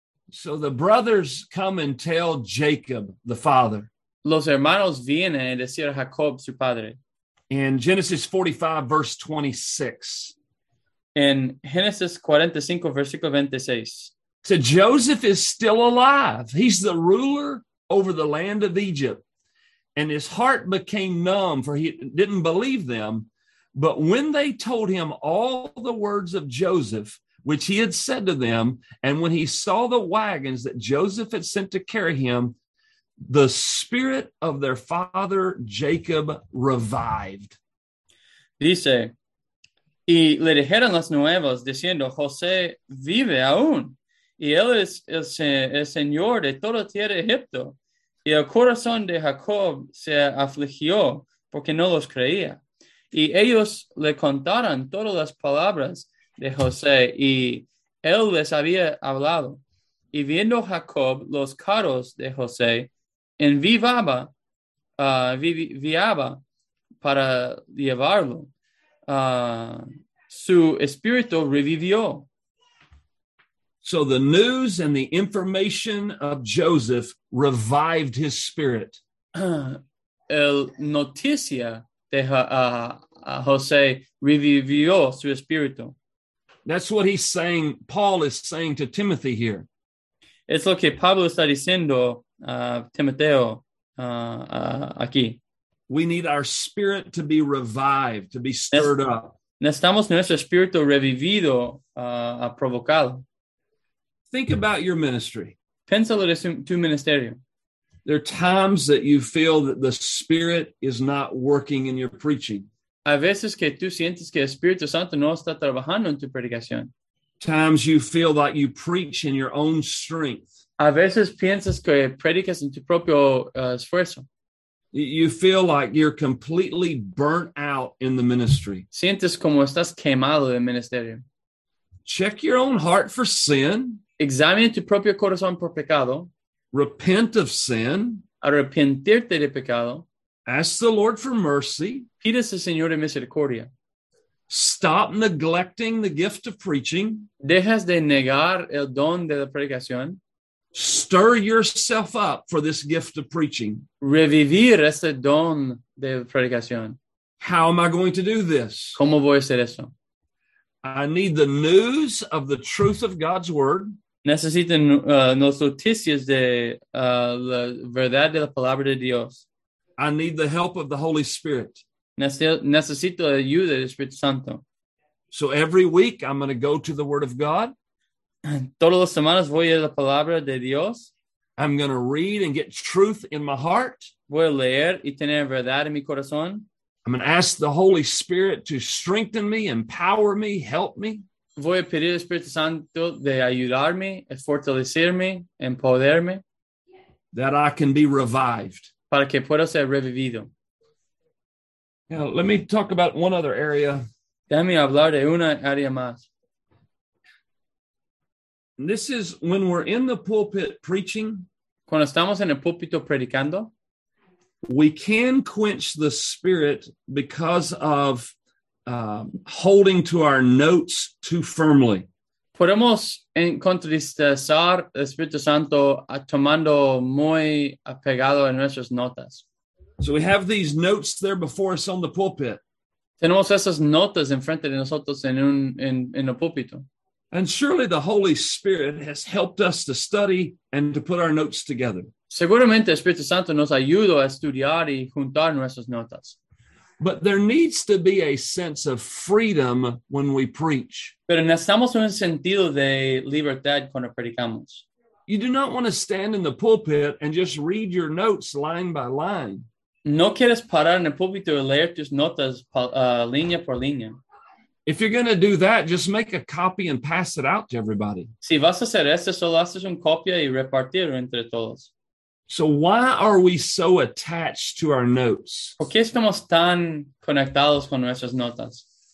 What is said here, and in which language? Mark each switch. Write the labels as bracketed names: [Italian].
[English] So the brothers come and tell Jacob, the father. [Spanish] Los hermanos vienen a decir a Jacob, su padre. [English] In Genesis 45, verse 26. [Spanish] In Genesis 45, versículo 26. [English] So Joseph is still alive. He's the ruler over the land of Egypt. And his heart became numb, for he didn't believe them. But when they told him all the words of Joseph, which he had said to them, and when he saw the wagons that Joseph had sent to carry him, the spirit of their father Jacob revived. [Spanish] Dice, y le dijeron las nuevas, diciendo, José vive aún, y él es el señor de toda tierra de Egipto. Y el corazón de Jacob se afligió, porque no los creía. Y ellos le contaron todas las palabras de José, y él les había hablado. Y viendo Jacob los carros de José, en viaba para llevarlo. Su espíritu revivió. [English] So the news and the information of Joseph revived his spirit. [Spanish] El noticia de José revivió su espíritu. [English] That's what he's saying, Paul is saying to Timothy here. [Spanish] Es lo que Pablo está diciendo a Timoteo aquí. [English] We need our spirit to be revived, to be stirred up. [Spanish] Necesitamos nuestro espíritu revivido, provocado. [English] Think about your ministry. [Spanish] Pénsalo de tu ministerio. [English] There are times that you feel that the Spirit is not working in your preaching. [Spanish] A veces que tú sientes que el Espíritu Santo no está trabajando en tu predicación. [English] Times you feel like you preach in your own strength. [Spanish] A veces piensas que predicas en tu propio esfuerzo. [English] You feel like you're completely burnt out in the ministry. [Spanish] Sientes como estás quemado del ministerio. [English] Check your own heart for sin. [Spanish] Examina tu propio corazón por pecado. [English] Repent of sin. [Spanish] Arrepentirte de pecado. [English] Ask the Lord for mercy. [Spanish] Pides al Señor de misericordia. [English] Stop neglecting the gift of preaching. [Spanish] Dejas de negar el don de la predicación. [English] Stir yourself up for this gift of preaching. [Spanish] Revivir ese don de predicación. [English] How am I going to do this? [Spanish] ¿Cómo voy a hacer eso? [English] I need the news of the truth of God's word. [Spanish] Necesito las noticias de la verdad de la palabra de Dios. [English] I need the help of the Holy Spirit. [Spanish] Necesito ayuda del Espíritu Santo. [English] So every week I'm going to go to the word of God. [Spanish] Todas las semanas voy a la palabra de Dios. [English] I'm going to read and get truth in my heart. [Spanish] Voy a leer y tener verdad en mi corazón. [English] I'm going to ask the Holy Spirit to strengthen me, empower me, help me. [Spanish] Voy a pedir al Espíritu Santo de ayudarme, fortalecerme, empoderarme. [English] That I can be revived. [Spanish] Para que pueda ser revivido. [English] Now, let me talk about one other area. [Spanish] Déjame hablar de una área más. [English] This is when we're in the pulpit preaching. [Spanish] Cuando estamos en el púlpito predicando. [English] We can quench the spirit because of holding to our notes too firmly. [Spanish] Podemos contristar el Espíritu Santo tomando muy apegado a nuestras notas. [English] So we have these notes there before us on the pulpit. [Spanish] Tenemos esas notas enfrente de nosotros en el púlpito. [English] And surely the Holy Spirit has helped us to study and to put our notes together. [Spanish] Seguramente el Espíritu Santo nos ayudó a estudiar y juntar nuestras notas. [English] But there needs to be a sense of freedom when we preach. [Spanish] Pero necesitamos un sentido de libertad cuando predicamos. [English] You do not want to stand in the pulpit and just read your notes line by line. [Spanish] No quieres parar en el púlpito y leer tus notas línea por línea. [English] If you're going to do that, just make a copy and pass it out to everybody. [Spanish] Si vas a hacer eso, solo haces una copia y repartir entre todos. [English] So why are we so attached to our notes? [Spanish] ¿Por qué estamos tan conectados con nuestras notas?